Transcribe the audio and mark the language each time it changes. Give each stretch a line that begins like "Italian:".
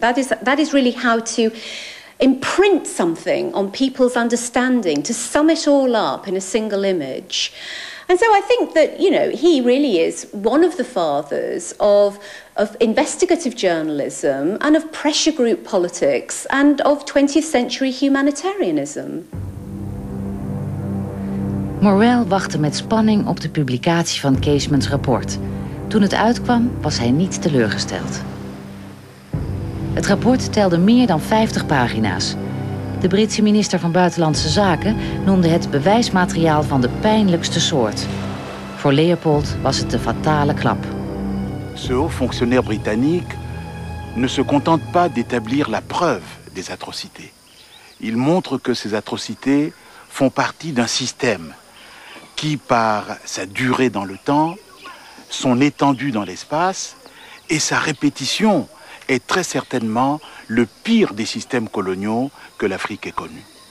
English: That is really how to imprint something on people's understanding, to sum it all up in a single image. And so I think that, you know, he really is one of the fathers of investigative journalism and of pressure group politics and of 20th century humanitarianism.
Dutch: Morel wachtte met spanning op de publicatie van Casement's rapport. Toen het uitkwam, was hij niet teleurgesteld. Het rapport telde meer dan 50 pagina's. De Britse minister van Buitenlandse Zaken noemde het bewijsmateriaal van de pijnlijkste soort. Voor Leopold was het de fatale klap.
French: Ce haut fonctionnaire britannique ne se contente pas d'établir la preuve des atrocités. Il montre que ces atrocités font partie d'un système qui, par sa durée dans le temps, son étendue dans l'espace et sa répétition est très certainement le pire des systèmes coloniaux que l'Afrique ait connu.